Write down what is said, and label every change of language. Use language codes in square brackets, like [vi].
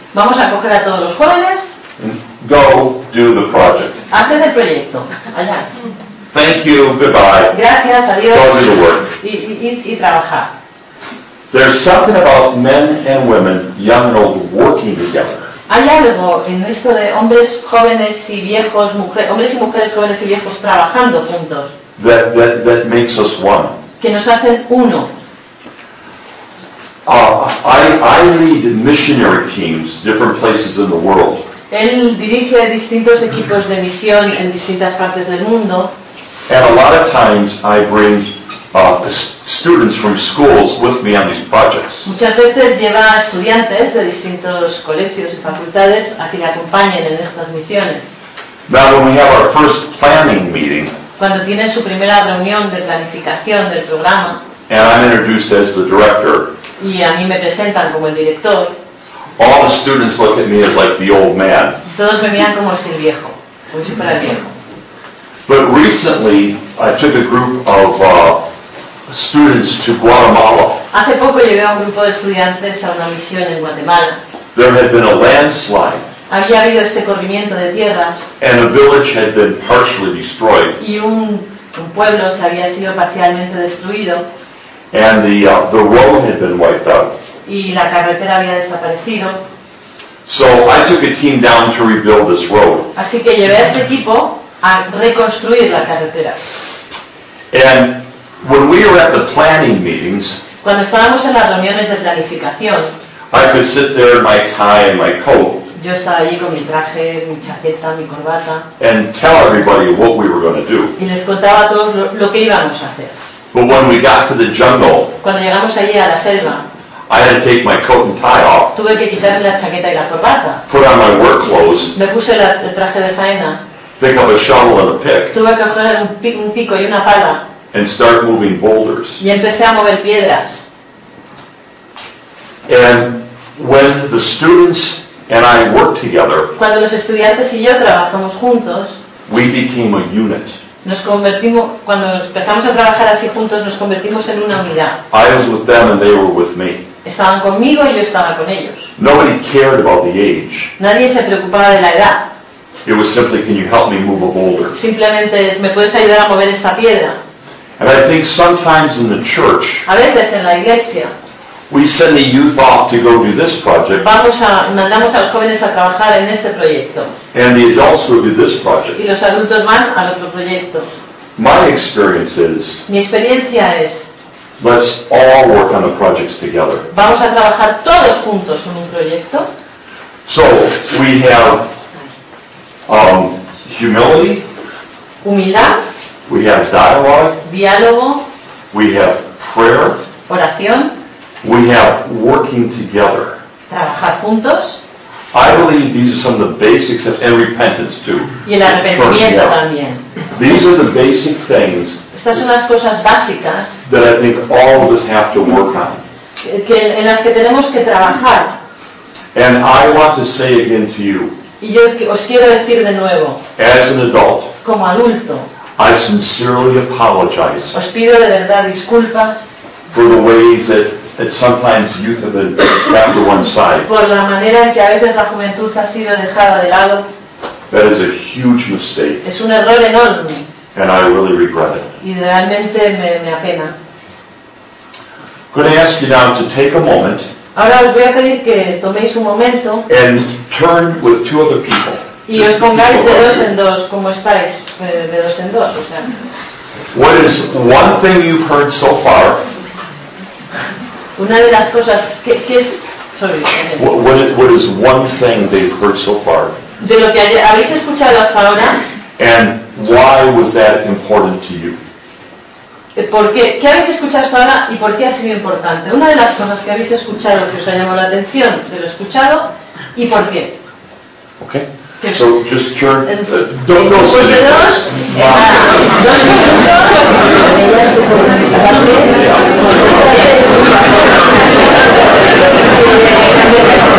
[es] Vamos a coger a todos los jóvenes. [en] And go do the project. [es] Haced el proyecto. Allá. [en] Thank you. Goodbye. [es] Gracias. Adiós. [en] Go do the work. [es] Y trabajar. [en] There's something about men and women, young and old, working together. [es] Hay algo en esto de hombres jóvenes y viejos, hombres y mujeres jóvenes y viejos trabajando juntos. [en] That makes us one. [es] Que nos hacen uno. [en] I lead missionary teams different places in the world. [es] Él dirige distintos equipos de misión en distintas partes del mundo. [en] And a lot of times I bring students from schools with me on these projects. [es] Muchas veces lleva a estudiantes de distintos colegios y facultades a que le acompañen en estas misiones. [en] Now, when we have our first planning meeting, [es] cuando tiene su primera reunión de planificación del programa, [en] and I'm introduced as the director, [es] y a mí me presentan como el director, [en] all the students look at me as like the old man. [es] Todos me miran como si el viejo, como si fuera el viejo. [en] But recently, I took a group of students to Guatemala. [es] Hace poco llevé a un grupo de estudiantes a una misión en Guatemala. [en] There had been a landslide. [es] Había habido este corrimiento de tierras. [en] And a village had been partially destroyed. [es] Y un pueblo se había sido parcialmente destruido. [en] And the road had been wiped out. [es] Y la carretera había desaparecido. [en] So I took a team down to rebuild this road. [es] Así que llevé a este equipo a reconstruir la carretera. [en] And when we were at the planning meetings, [es] cuando estábamos en las reuniones de planificación, [en] I could sit there in my tie and my coat. [es] Yo estaba allí con mi traje, mi chaqueta, mi corbata. [en] And tell everybody what we were going to do. [es] Y les contaba a todos lo que íbamos a hacer. [en] But when we got to the jungle, [es] cuando llegamos allí a la selva, [en] I had to take my coat and tie off. [es] Tuve que quitarme la chaqueta y la corbata. [en] Put on my work clothes. [es] Me puse el traje de faena. [en] Pick up a shovel and a pick. [es] Tuve que coger un pico y una pala. [en] And start moving boulders. [es] Y empecé a mover piedras. [en] And when the students and I worked together, [es] cuando los estudiantes y yo trabajamos juntos, [en] we became a unit. [es] Nos convertimos, cuando empezamos a trabajar así juntos, nos convertimos en una unidad. [en] I was with them and they were with me. [es] Estaban conmigo y yo estaba con ellos. [en] Nobody cared about the age. [es] Nadie se preocupaba de la edad. [en] It was simply, can you help me move a boulder? [es] Simplemente es, ¿me puedes ayudar a mover esta piedra? [en] And I think sometimes in the church, [es] a veces en la iglesia, [en] we send the youth off to go do this project. [es] Mandamos a los jóvenes a trabajar en este proyecto. [en] And the adults will do this project. [es] Y los adultos van al otro proyecto. [en] My experience is, [es] mi experiencia es, [en] let's all work on the projects together. [es] Vamos a trabajar todos juntos en un proyecto. [en] So we have humility. [es] Humildad. [en] We have dialogue. [es] Diálogo. [en] We have prayer. [es] Oración. [en] We have working together. [es] Trabajar juntos. [en] I believe these are some of the basics of and repentance too. [es] Y el arrepentimiento también. [en] These are the basic things. [es] Estas son las cosas básicas. [en] That I think all of us have to work on. [es] Que en las que tenemos que trabajar. [en] And I want to say again to you. [es] Y yo os quiero decir de nuevo. [en] As an adult. [es] Como adulto. [en] I sincerely apologize. [es] Os pido de verdad disculpas. [en] For the ways that sometimes youth have been kept to one side. [es] Por la manera en que a veces la juventud ha sido dejada de lado. [en] That is a huge mistake. [es] Es un error enorme. [en] And I really regret it. [es] Y realmente me apena. [en] Could I ask you now to take a moment? [es] Ahora os voy a pedir que toméis un momento. [en] And turn with two other people. [es] Y os pongáis de dos en dos, como estáis, de dos en dos, o sea. [en] What is one thing you've heard so far? [es] Una de las cosas que es, sorry. [en] What is one thing they've heard so far? [es] De lo que habéis escuchado hasta ahora. [en] And why was that important to you? [es] ¿Por qué? ¿Qué habéis escuchado hasta ahora y por qué ha sido importante? Una de las cosas que habéis escuchado que os ha llamado la atención de lo escuchado y por qué. [en] Okay. So just turn. Don't go to the next one. Okay, okay.